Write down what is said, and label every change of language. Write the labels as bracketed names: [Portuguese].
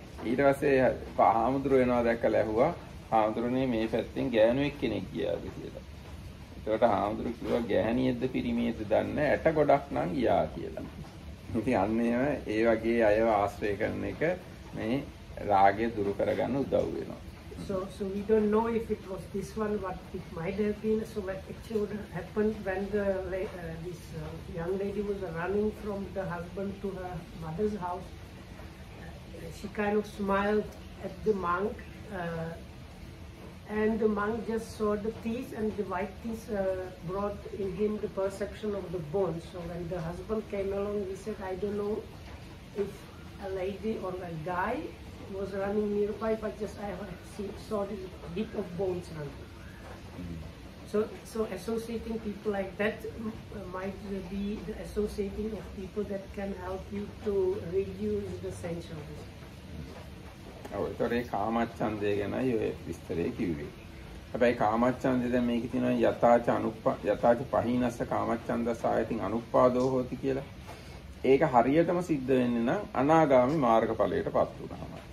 [Sinhala] ඊට පස්සේ හාමුදුරු වෙනවා දැක්කල ඇහුවා, හාමුදුරනේ මේ පැත්තෙන් ගෑනුවෙක් කෙනෙක් ගියාද කියලා. එතකොට හාමුදුරු කිව්වා ගෑණියෙක්ද පිරිමියෙක්ද දන්නේ, ඇට ගොඩක් නම් ගියා කියලා. ඉතින් අන්නේ ඒ වගේ අයව ආශ්‍රය කරන එක මේ රාගය දුරු කරගන්න උදව් වෙනවා. [English] So we don't know if it was this one, but it might have been. So what actually would have happened when this young lady was running from the husband to her mother's house, she kind of smiled at the monk, and the monk just saw the teeth, and the white teeth brought in him the perception of the bones. So when the husband came along, he said, I don't know if a lady or a guy was running nearby, but just I saw this bit of bones running. So associating people like that might be the associating of people that can help you to reduce the sense of this. [Sinhala] ඔයතර කාමච්ඡන්දය ගැනයි ඔය විස්තරේ කිව්වේ. හැබැයි කාමච්ඡන්දය දැන් මේකේ තියෙනවා [Pali] යථාච අනුප්පා යථාච පහිනස්ස කාමච්ඡන්දස ආයතින් අනුප්පාදෝ හෝති [Sinhala] කියලා. ඒක හරියටම සිද්ධ වෙන්නේ නම් අනාගාමි මාර්ගඵලයටපත් වුණාම.